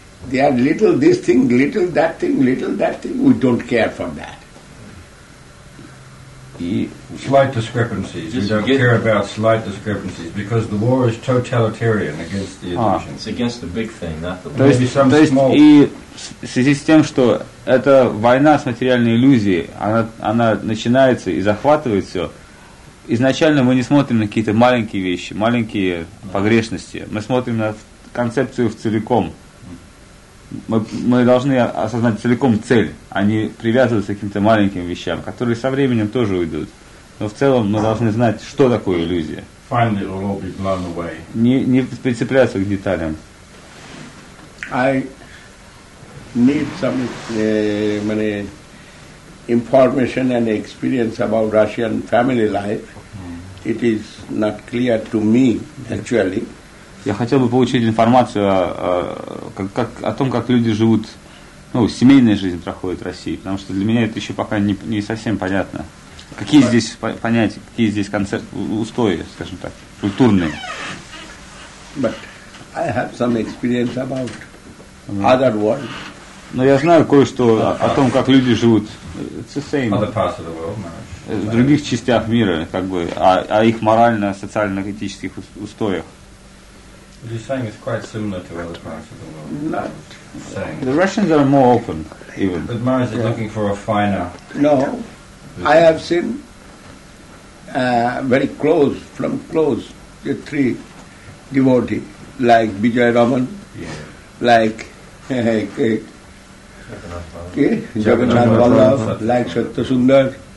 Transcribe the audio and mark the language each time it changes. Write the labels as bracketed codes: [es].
[en] They are little this thing, little that thing, little that thing. We don't care for that. Slight discrepancies. We don't care about slight discrepancies because the war is totalitarian against the illusion. It's against the big thing, not the maybe some small. [ru] То есть и в связи с тем, что эта война с материальной иллюзией, она начинается и захватывает все. Изначально мы не смотрим на какие-то маленькие вещи, маленькие погрешности. Мы смотрим на концепцию в целиком. Мы должны осознать целиком цель, а не привязываться к каким-то маленьким вещам, которые со временем тоже уйдут. Но в целом мы должны знать, что такое иллюзия. [en] Finally, it will all be blown away. [ru] Не прицепляться к деталям. [en] I need some many information and experience about Russian family life. It is not clear to me actually. [ru] Я хотел бы получить информацию о том, как люди живут, ну, семейная жизнь проходит в России, потому что для меня это еще пока не совсем понятно. Какие здесь понятия, какие здесь концепции, устои, скажем так, культурные. [en] But I have some experience about other world. [ru] Но я знаю кое-что о том, как люди живут. [en] It's the same. Other parts of the world, [ru] в других частях мира, как бы, о их морально-социально-этических устоях. [en] You're saying it's quite similar to other parts of the world. Not. The Russians are more open, even. But Maharaj is looking for a finer. No, I have seen very close, from close, the three devotees, like Vijay Raman, like Jagannath Vallabh, like Satya Sundar.